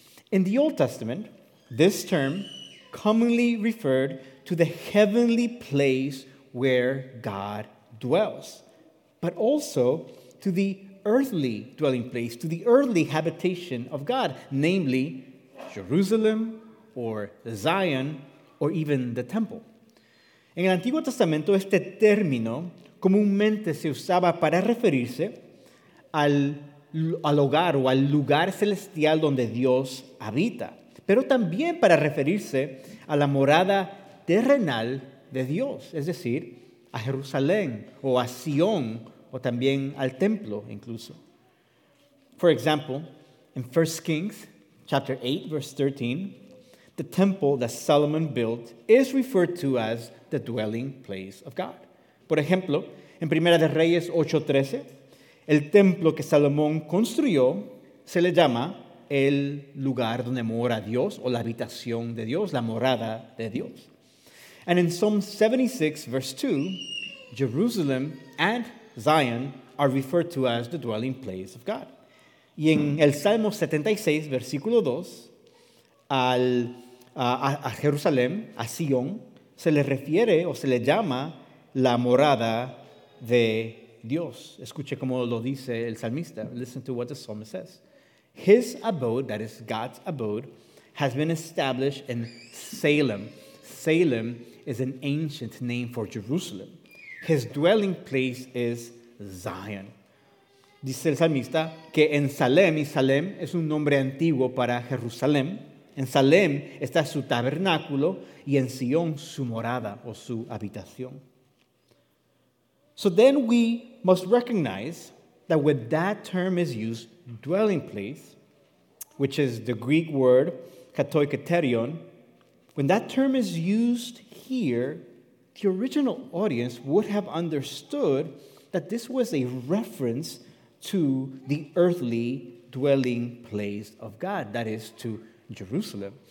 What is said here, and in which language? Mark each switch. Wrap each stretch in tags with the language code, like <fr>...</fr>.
<en>In the Old Testament, this term commonly referred to the heavenly place where God dwells, but also to the earthly dwelling place, to the earthly habitation of God, namely Jerusalem, or Zion, or even the temple.</en> <es>En el Antiguo Testamento, este término comúnmente se usaba para referirse al hogar o al lugar celestial donde Dios habita, pero también para referirse a la morada terrenal de Dios, es decir, a Jerusalén o a Sion, o también al templo incluso.</es> <en>For example, in 1 Kings chapter 8, verse 13, the temple that Solomon built is referred to as the dwelling place of God.</en> <es>Por ejemplo, en Primera de Reyes 8:13, el templo que Salomón construyó se le llama el lugar donde mora Dios o la habitación de Dios, la morada de Dios.</es> <en>And in Psalm 76, verse 2, Jerusalem and Zion are referred to as the dwelling place of God.</en> <es>Y en el Salmo 76, versículo 2, a Jerusalén, a Sion, se le refiere o se le llama la morada de Dios. Escuche cómo lo dice el salmista.</es> <en>Listen to what the psalmist says. His abode, that is God's abode, has been established in Salem. Salem is an ancient name for Jerusalem. His dwelling place is Zion.</en> <es>Dice el salmista que en Salem, y Salem es un nombre antiguo para Jerusalén, en Salem está su tabernáculo y en Sion su morada o su habitación.</es> <en>So then we must recognize that when that term is used, dwelling place, which is the Greek word katoiketerion, when that term is used here, the original audience would have understood that this was a reference to the earthly dwelling place of God, that is to Jerusalem.</en>